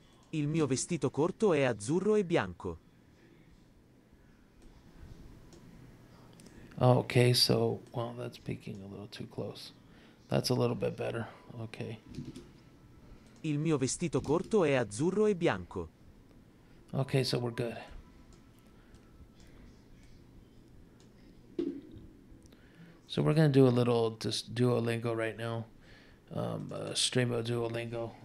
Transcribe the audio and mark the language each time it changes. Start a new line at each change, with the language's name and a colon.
Italian: Il mio vestito corto è azzurro e bianco.
English: Okay, so, well, that's peaking a little too close. That's a little bit better. Okay.
Italian: Il mio vestito corto è azzurro e bianco.
English: Okay, so we're good. So we're going to do a little just Duolingo right now. Stream of Duolingo.